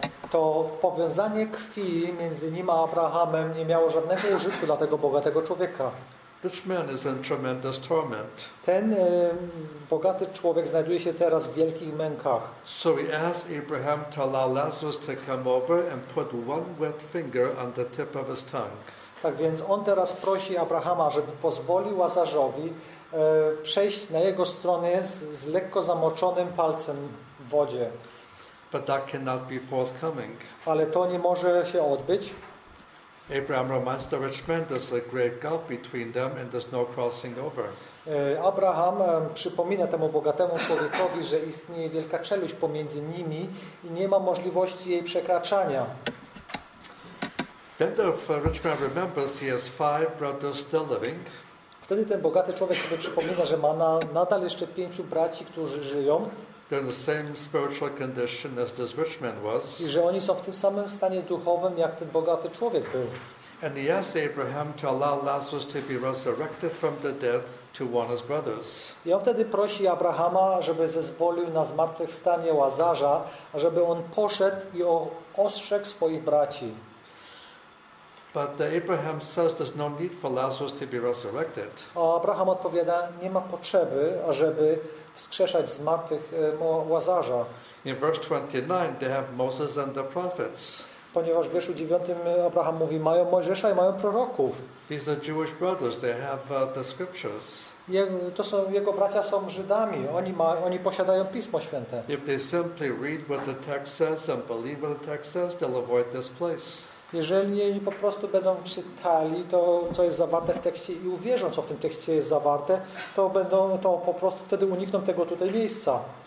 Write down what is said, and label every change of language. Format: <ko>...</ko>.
<pl>To powiązanie krwi między nim a Abrahamem nie miało żadnego użytku dla tego bogatego człowieka.</pl> <en>Rich man is in tremendous torment.</en> <pl>Ten bogaty człowiek znajduje się teraz w wielkich mękach.</pl> <en>So he asked Abraham to allow Lazarus to come over and put one wet finger on the tip of his tongue.</en> <pl>Tak więc on teraz prosi Abrahama, żeby pozwolił Łazarzowi przejść na jego stronę z lekko zamoczonym palcem w wodzie.</pl> <en>But that cannot be forthcoming.</en> <pl>Ale to nie może się odbyć.</pl> <en>Abraham reminds the rich man there's a great gulf between them and there's no crossing over.</en> <pl>Abraham przypomina temu bogatemu człowiekowi, że istnieje wielka czeluść pomiędzy nimi i nie ma możliwości jej przekraczania.</pl> <en>Then the rich man remembers he has five brothers still living.</en> <pl>Wtedy ten bogaty człowiek sobie przypomina, że ma nadal jeszcze pięciu braci, którzy żyją.</pl> <en>They're in the same spiritual condition as this rich man was.</en> <pl>I że oni są w tym samym stanie duchowym, jak ten bogaty człowiek był.</pl> <en>And he asked Abraham to allow Lazarus to be resurrected from the dead to one of his brothers.</en> <pl>I on wtedy prosi Abrahama, żeby zezwolił na zmartwychwstanie Łazarza, żeby on poszedł i ostrzegł swoich braci.</pl> <en>But Abraham says there's no need for Lazarus to be resurrected.</en> <pl>Abraham odpowiada, nie ma potrzeby, ażeby wskrzeszać zmarłych Łazarza.</pl> <en>In verse 29 they have Moses and the prophets.</en> <pl>Ponieważ w wierszu 9 Abraham mówi, mają Mojżesza i mają proroków.</pl> <en>These are Jewish brothers, they have the scriptures.</en> <pl>To są jego bracia są Żydami, oni posiadają Pismo Święte.</pl> <en>If they simply read what the text says and believe what the text says, they'll avoid this place.</en> <pl>Jeżeli oni po prostu będą czytali to, co jest zawarte w tekście i uwierzą, co w tym tekście jest zawarte, to będą to po prostu wtedy unikną tego tutaj miejsca.</pl>